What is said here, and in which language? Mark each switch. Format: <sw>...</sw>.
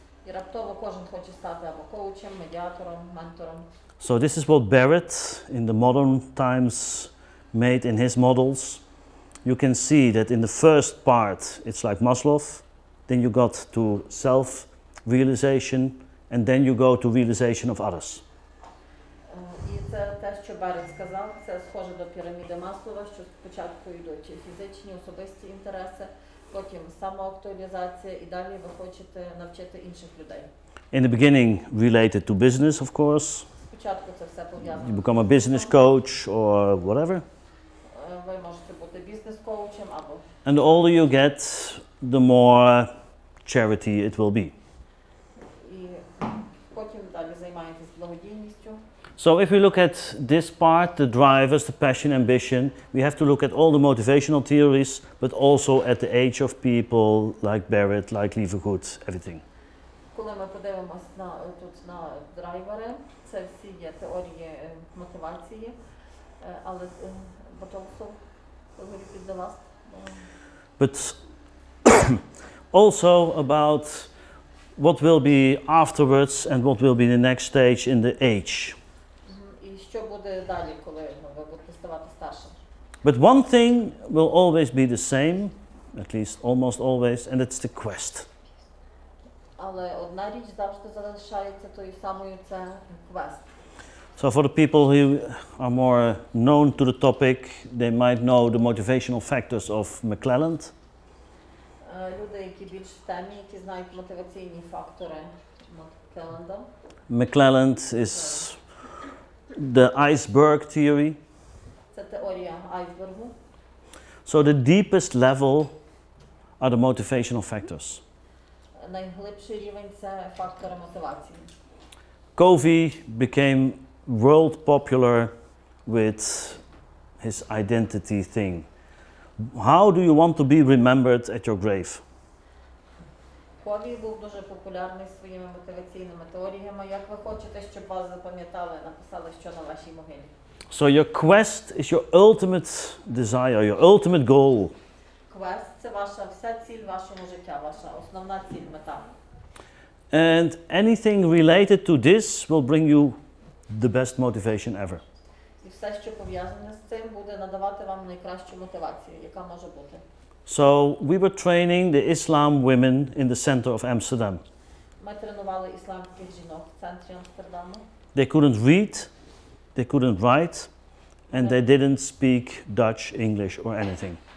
<uk>І раптово кожен хоче стати або коучем, медіатором, ментором.</uk> <en>So this is what Barrett in the modern times made in his models. You can see that in the first part it's like Maslow, then you got to self-realization, and then you go to realization of others.</en> <uk>І це те, що Барретт сказав, це схоже до піраміди Маслова, що спочатку йдуть фізичні, особисті інтереси. Потім самоактуалізація і далі ви хочете навчити інших людей.</uk> <en>In the beginning related to business, of course.</en> <uk>Спочатку це все пов'язано.</uk> <en>You become a business coach or whatever.</en> <uk>Ви можете бути бізнес коучем або.</uk> <en>And the older you get, the more charity it will be.</en> <uk>І потім далі займаєтесь благодійністю.</uk> <en>So if we look at this part, the drivers, the passion, ambition, we have to look at all the motivational theories, but also at the age of people like Barrett, like Levergood, everything.</en> <uk>Коли ми подивимось на тут на драйвери, це всі є теорії мотивації, але потолку говорити до вас.</uk> <en>But also about what will be afterwards and what will be the next stage in the age.</en> <uk>Що буде далі, коли ви будете ставати старшим?</uk> <en>But one thing will always be the same, at least almost always, and it's the quest.</en> <uk>Але одна річ завжди залишається тою самою, це квест.</uk> <en>So for the people who are more known to the topic, they might know the motivational factors of McClelland.</en> <uk>Люди, які більш в темі, які знають мотиваційні фактори</uk> <en>McClellanда. McClelland is the iceberg theory.</en> <uk>Це теорія айсбергу.</uk> <en>So the deepest level are the motivational factors.</en> <uk>Найглибший рівень – це фактори мотивації.</uk> <en>Covey became world popular with his identity thing. How do you want to be remembered at your grave?</en> <uk>Covey був дуже популярний своїми мотиваційними теоріями. Як ви хочете, щоб вас запам'ятали, написали, що на вашій могилі?</uk> <en>So your quest is your ultimate desire, your ultimate goal.</en> <uk>Quest – це ваша вся ціль вашого життя, ваша основна ціль, мета.</uk> <en>And anything related to this will bring you the best motivation ever.</en> <uk>І все, що пов'язане з цим, буде надавати вам найкращу мотивацію, яка може бути.</uk> <en>So we were training the Islam women in the center of Amsterdam.</en> <uk>Ми тренували ісламських жінок в центрі Амстердаму.</uk> <en>They couldn't read, they couldn't write, and they didn't speak Dutch, English or anything.</en>